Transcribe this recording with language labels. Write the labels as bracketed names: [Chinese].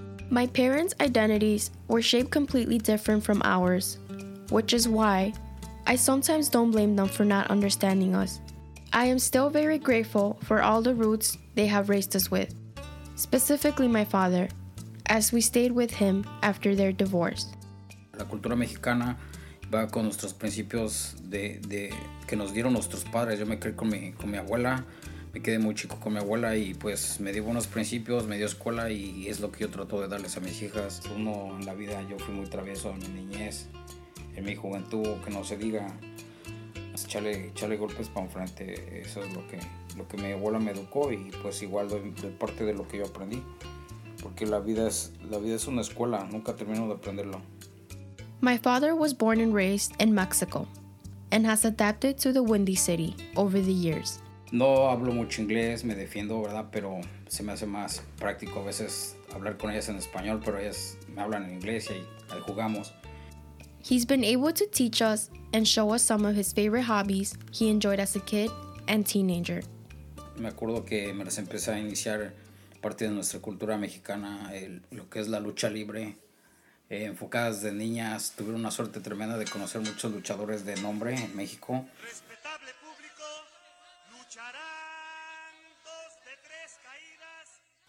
[English] My parents' identities were shaped completely different from ours, which is why I sometimes don't blame them for not understanding us. I am still very grateful for all the roots they have raised us with, specifically my father, as we stayed with him after their divorce. [Spanish] La cultura mexicana va con nuestros principios de que nos dieron nuestros padres. Yo me crié con mi abuela, me quedé muy chico con mi abuela y pues me dio buenos principios, me dio escuela y es lo que yo trato de darles a mis hijas. Uno en la vida, yo fui muy travieso en mi niñez, en mi juventud, que no se diga, echarle golpes para enfrente, eso es lo que mi abuela me educó y pues igual de parte de lo que yo aprendí, porque la vida es una escuela, nunca termino de aprenderlo. [English] My father was born and raised in Mexico and has adapted to the Windy City over the years. [Spanish] No hablo mucho inglés, me defiendo, ¿verdad? Pero se me hace más práctico a veces hablar con ellas en español, pero ellas me hablan en inglés y ahí jugamos. [English] He's been able to teach us and show us some of his favorite hobbies he enjoyed as a kid and teenager. [Spanish] Me acuerdo que me las empecé a iniciar parte de nuestra cultura mexicana, lo que es la lucha libre. Enfocadas de niñas, tuvieron una suerte tremenda de conocer muchos luchadores de nombre en México. Respetable público, lucharán dos de tres caídas.